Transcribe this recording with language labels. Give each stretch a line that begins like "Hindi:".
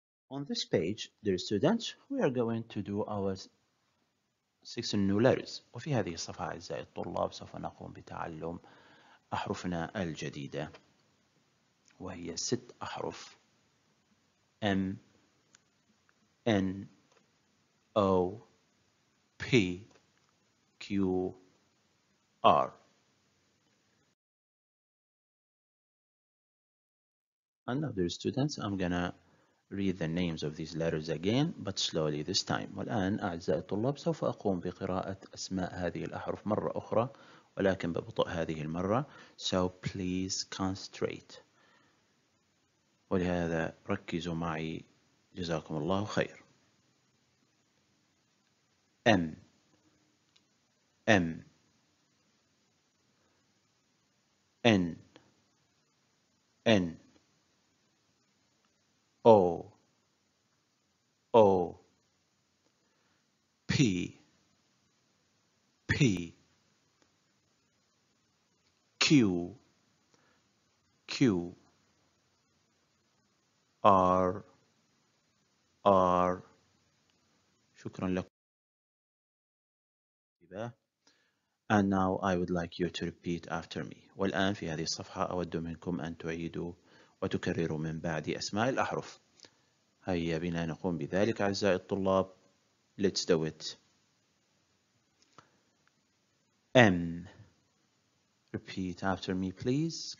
English: On this page, dear students, we are going to do our six new letters.
Arabic: وفي هذه الصفحة أعزائي الطلاب سوف نقوم بتعلم أحرفنا الجديدة وهي ست أحرف M, N, O, P, Q, R.
English: Another students, I'm gonna read the names of these letters again, but slowly this time.
Arabic: والآن أعزائي الطلاب سوف أقوم بقراءة أسماء هذه الأحرف مرة أخرى ولكن ببطء هذه المرة.
English: So please concentrate.
Arabic: ولهذا ركزوا معي جزاكم الله خير.
English: M M N N O O P P Q Q R R
Arabic: شكرا لكم
English: And now I would like you to repeat after me.
Arabic: والآن في هذه الصفحة أود منكم أن تعيدوا وتكرروا من بعد أسماء الأحرف. هيا بنا نقوم بذلك أعزائي الطلاب.
English: Let's do it. M. Repeat after me please.